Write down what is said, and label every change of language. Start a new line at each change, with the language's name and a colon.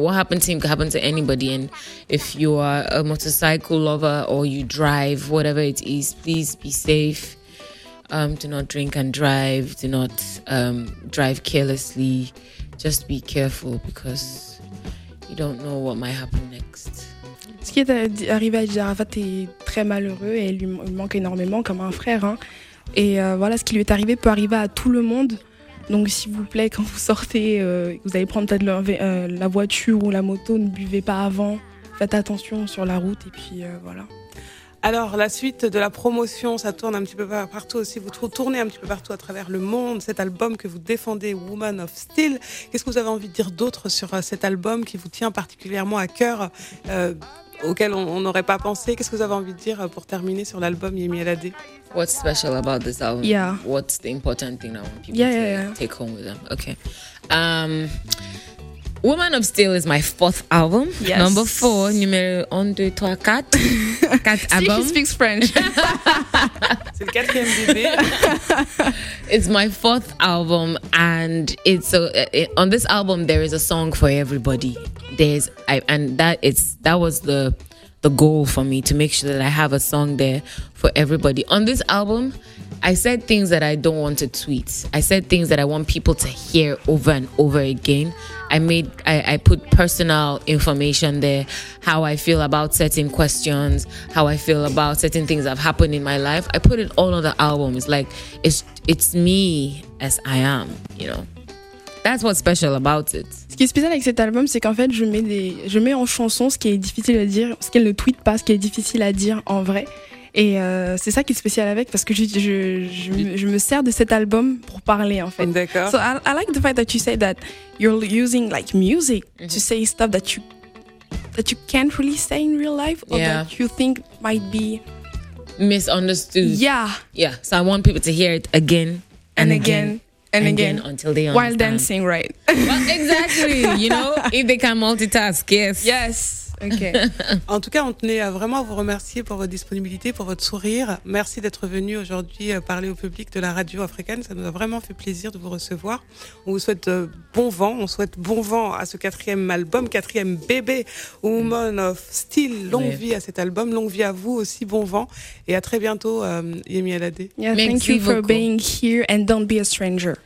English: What happened to him could happen to anybody, and if you are a motorcycle lover or you drive, whatever it is, please be safe. Do not drink and drive. Do not drive carelessly. Just be careful because you don't know what might happen next.
French: Ce qui est arrivé à Jarafat est très malheureux et lui manque énormément comme un frère. Hein. Et voilà, ce qui lui est arrivé peut arriver à tout le monde. Donc s'il vous plaît, quand vous sortez, vous allez prendre peut-être la voiture ou la moto, ne buvez pas avant. Faites attention sur la route et puis voilà. Alors, la suite de la promotion, ça tourne un petit peu partout aussi. Vous tournez un petit peu partout à travers le monde. Cet album que vous défendez, Woman of Steel. Qu'est-ce que vous avez envie de dire d'autre sur cet album qui vous tient particulièrement à cœur, auquel on n'aurait pas pensé? Qu'est-ce que vous avez envie de dire pour terminer sur l'album Yemi Alade?
English: What's special about this album? Yeah. What's the important thing I want people to take home with them? Okay. Woman of Steel is my fourth album. Yes. Number four,
French: numéro 1, 2, 3, 4. Quatre albums.
English: She speaks French.
French: C'est le quatrième bébé.
English: It's my fourth album. And it's on this album, there is a song for everybody. That was the goal for me, to make sure that I have a song there for everybody. On this album, I said things that I don't want to tweet. I said things that I want people to hear over and over again. I put personal information there, how I feel about certain questions, how I feel about certain things that have happened in my life. I put it all on the album. It's like, it's me as I am, you know. That's what's special about it.
French: Ce qui est spécial avec cet album, c'est qu'en fait, je mets en chanson ce qui est difficile à dire, ce qu'elle ne tweet pas, ce qui est difficile à dire en vrai. Et c'est ça qui est spécial avec, parce que je me sers de cet album pour parler, en fait. D'accord.
English: So I like the fact that you say that you're using like music to say stuff that you can't really say in real life, or that you think might be misunderstood. Yeah. Yeah. So I want people to hear it again and again. And again, until they while dancing, right? Well, exactly. You know, if they can multitask, yes. Yes. Okay.
French: En tout cas, on tenait à vraiment vous remercier pour votre disponibilité, pour votre sourire. Merci d'être venu aujourd'hui parler au public de la radio africaine. Ça nous a vraiment fait plaisir de vous recevoir. On vous souhaite bon vent. On souhaite bon vent à ce quatrième album, quatrième bébé, Woman of Steel. Longue vie à cet album. Longue vie à vous aussi. Bon vent. Et à très bientôt, Yemi Alade.
English: Yeah, thank you for being here and don't be a stranger.